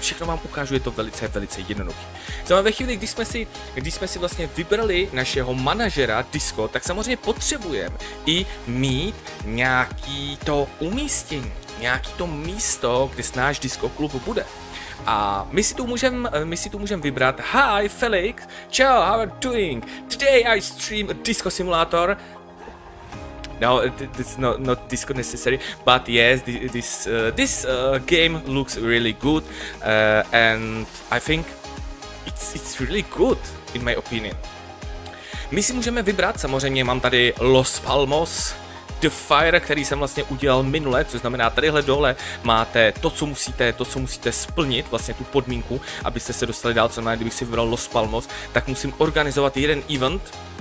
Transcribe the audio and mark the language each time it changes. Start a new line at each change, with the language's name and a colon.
Czech: Všechno vám ukážu, je to velice, velice jednoduché. Znamená, ve chvíli, když jsme si vlastně vybrali našeho manažera disco, tak samozřejmě potřebujeme i mít nějaký to umístění, nějaký to místo, kde náš disco klub bude. A my si tu můžem vybrat.
English: Hi Felix, ciao, how are you doing? Today I stream a disco simulator. No, it's not disco necessary, but yes, this game looks really good, and I think it's really good in my opinion.
Czech: My si můžeme vybrat, samozřejmě mám tady Los Palmos The Fire, který jsem vlastně udělal minule, což znamená, tadyhle dole máte to, co musíte splnit, vlastně tu podmínku, abyste se dostali dál, co znamená, kdybych si vybral Los Palmos, tak musím organizovat jeden event.